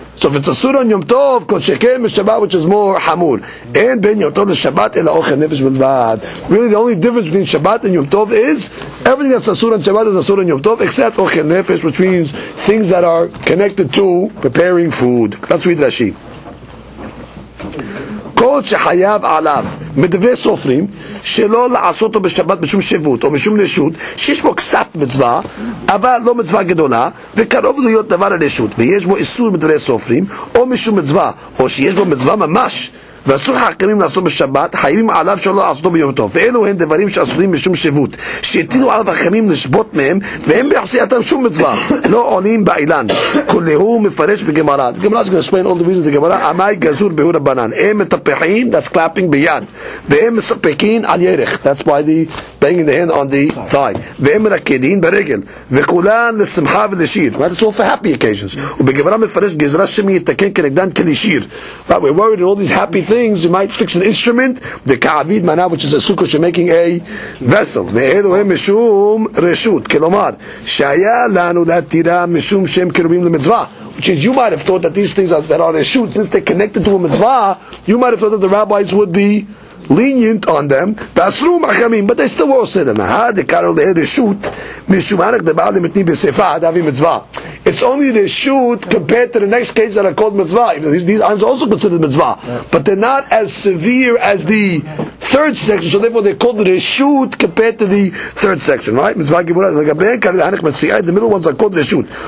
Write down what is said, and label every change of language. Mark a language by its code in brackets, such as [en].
[en] So if it's a surah on Yom Tov, kol shekem b'shabbat, which is more hamur. And ben Yom Tov l'shabbat ela ochel nefesh b'lvad. Really, the only difference between Shabbat and Yom Tov is everything that's a surah on Shabbat is a surah on Yom Tov, except ochel nefesh, which means things that are connected to preparing food. Let's read Rashi. [he] Kol shehayav alav, medveh sofrim, שלא לעשותו בשבת משום שבות או משום נשות שיש בו קצת מצווה אבל לא מצווה גדולה וקרוב להיות דבר הנשות ויש בו איסור מדברי סופרים או משום מצווה או שיש בו מצווה ממש ואסור חכמים לעשות בשבת, חייבים עליו שלא לעשותו ביום טוב. ואלו הם דברים שאסורים משום שבות, שהטילו עליו החכמים לשבות מהם, והם בעשייתם שום מצווה, לא עונים באילן. כולהו מפרש בגמרא. גמרא, שגם [en] explain all the reasons, [he] גמרא, עמי גזור בהור הבנן. הם מטפחים, [en] that's clapping [he] ביד. והם מספקים על ירך, [en] that's why they banging the hand on the thigh. [he] והם רקדים ברגל. וכולן לשמחה ולשיר. [en] Right, it's all for happy occasions. [he] ובגמרא מפרש גזרה שמי יתקן כנגדן כלשיר. [en] But we're worried in all these happy things, you might fix an instrument, the ka'avid mana, which is a sukkah, you're making a vessel. [he] ואלו הם משום רשות, כלומר, שהיה לנו להתירה משום שהם קרובים למצווה. [en] Which is, you might have thought that these things are, that are a shoot, since they're connected to a mitzvah, you might have thought that the rabbis would be lenient on them. [he] ואסרו מחכמים, [en] but they still will say them. [he] מה דקרא לה רשות משום ערך דבעל למתנים בשפה, דאבי מצווה. [en] It's only the shoot compared to the next case that are called mitzvah. These items are also considered mitzvah. But they're not as severe as the third section. So therefore they're called the shoot compared to the third section, right? Mitzvah Gibura. The middle ones are called the shoot.